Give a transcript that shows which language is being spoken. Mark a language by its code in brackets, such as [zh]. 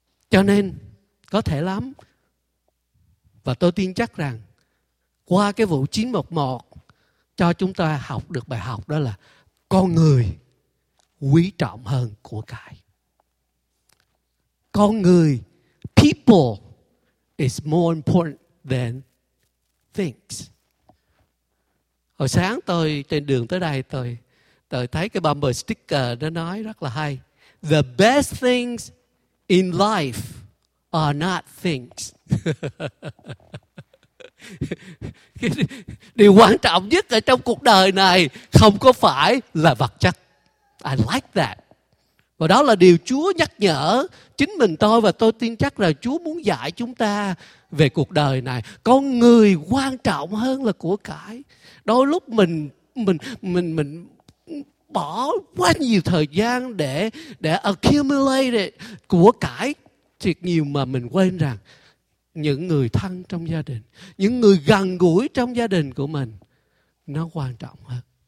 [vi] Cho nên, có thể lắm, và tôi tin chắc rằng, qua cái vụ 911, cho chúng ta học được bài học đó là con người quý trọng hơn của cải. Con người, [en] people is more important than things. [vi] Hồi sáng tôi trên đường tới đây, tôi thấy cái bumper sticker nó nói rất là hay. [en] The best things in life are not things. [vi] Điều quan trọng nhất ở trong cuộc đời này không có phải là vật chất. [en] I like that. [vi] Và đó là điều Chúa nhắc nhở chính mình tôi, và tôi tin chắc là Chúa muốn dạy chúng ta về cuộc đời này. Con người quan trọng hơn là của cải. Đôi lúc mình bỏ quá nhiều thời gian để accumulate của cải thiệt nhiều, mà mình quên rằng những người thân trong gia đình, những người gần gũi trong gia đình của mình, nó quan trọng hơn.